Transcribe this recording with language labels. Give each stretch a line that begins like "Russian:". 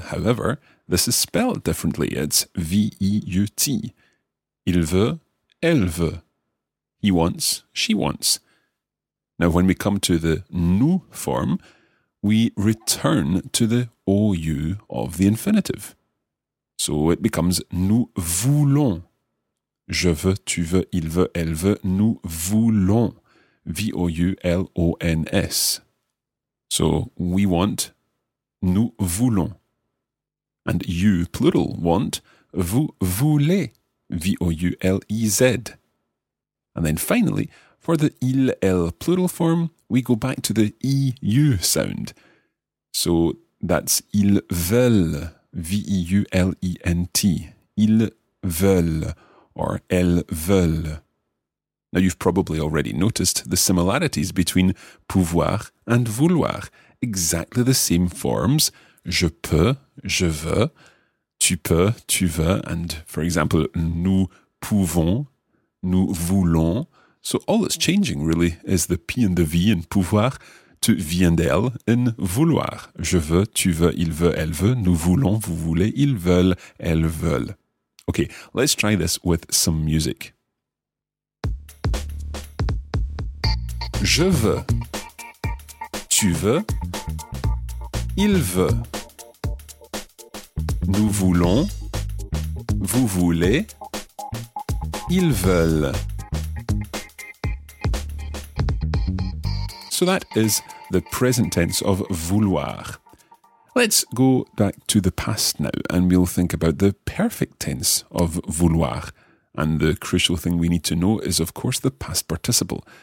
English: However, this is spelled differently. It's V-E-U-T.
French: Il veut, elle veut.
English: He wants, she wants. Now, when we come to the nous form, we return to the OU of the infinitive. So it becomes
French: nous voulons. Je veux, tu veux, il veut, elle veut, nous voulons.
English: V-O-U-L-O-N-S. So we want,
French: nous voulons.
English: And you, plural, want,
French: vous voulez.
English: V-O-U-L-E-Z. And then finally, for the il, elle plural form, we go back to the E-U sound. So that's
French: ils veulent,
English: V-E-U-L-E-N-T.
French: Ils veulent, or elles veulent.
English: Now you've probably already noticed the similarities between pouvoir and vouloir. Exactly the same forms,
French: je peux, je veux, tu peux, tu veux,
English: and for example,
French: nous pouvons, nous voulons.
English: So all that's changing really is the P and the V in pouvoir to V and L in vouloir.
French: Je veux, tu veux, il veut, elle veut, nous voulons, vous voulez, ils veulent, elles veulent.
English: Okay, let's try this with some music.
French: Je veux, tu veux, il veut. Nous voulons, vous voulez, ils veulent.
English: So that is the present tense of vouloir. Let's go back to the past now and we'll think about the perfect tense of vouloir. And the crucial thing we need to know is, of course, the past participle.